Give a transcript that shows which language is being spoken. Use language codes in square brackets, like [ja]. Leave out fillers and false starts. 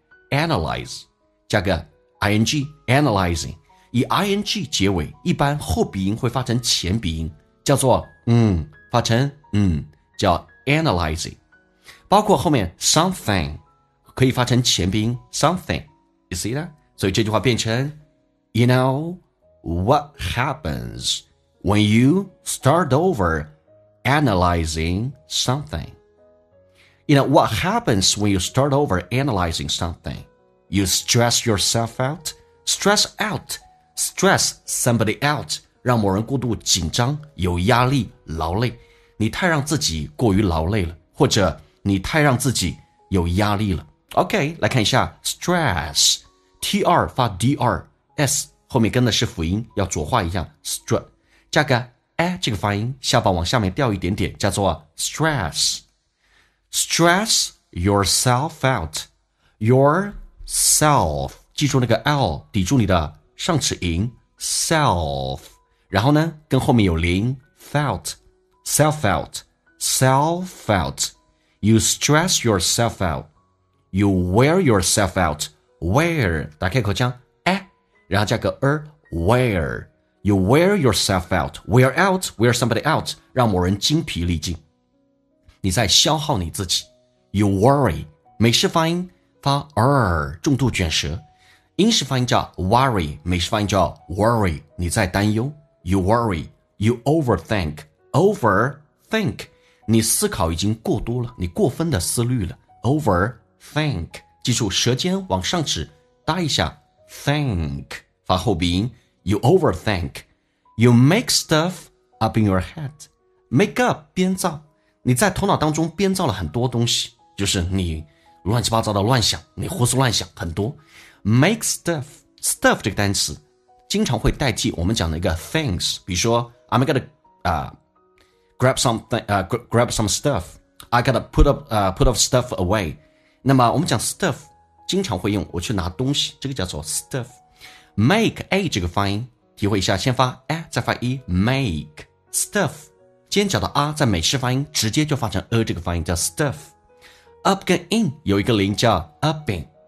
[zh] Analyze 加个。ing analyzing， 以 ing 结尾，一般后鼻音会发成前鼻音，叫做发成叫 analyzing。包括后面 something 可以发成前鼻音 something， [en] you see that？ [zh] 所以这句话变成 [en] you know what happens when you start over analyzing something。 You know what happens when you start over analyzing something。 You stress yourself out. Stress out. Stress somebody out. [zh] 让某人过度紧张，有压力，劳累。你太让自己过于劳累了，或者你太让自己有压力了。 OK， 来看一下 stress. TR 发 DR， S 后面跟的是辅音，要浊化一下。 Stress 加个 a 这个发音，下巴往下面掉一点点，叫做 stress. [en] Stress yourself out. Yourself， [zh] 记住那个 [en] L [zh] 抵住你的上齿龈 [en] self， [zh] 然后呢跟后面有零 [en] felt， self out， self out， you stress yourself out， you wear yourself out， wear， [zh] 打开口腔然后加个 [en] wear， you wear yourself out， wear out， wear somebody out， [zh] 让某人精疲力尽，你在消耗你自己。 You worry， 美式发音发 重度卷舌，英式发音叫 worry， 美式发音叫 worry， 你在担忧。 [en] You worry， you overthink， overthink， [zh] 你思考已经过多了，你过分的思虑了。 Overthink， 记住舌尖往上指搭一下 think， 发后鼻音。 [en] You overthink， you make stuff up in your head， [zh] make up 编造，你在头脑当中编造了很多东西，就是你乱七八糟的乱想，你胡思乱想很多。 [en] make stuff， stuff [zh] 这个单词经常会代替我们讲的一个 [en] things， [zh] 比如说 [en] I'm gonna grab some stuff， I gotta put stuff away。 [zh] 那么我们讲 stuff 经常会用我去拿东西，这个叫做 stuff。 make a 这个发音体会一下，先发 a 再发 e， make stuff 尖角的 r 在美式发音直接就发成这个发音叫 stuffUp 跟 in 有一个零叫 upping。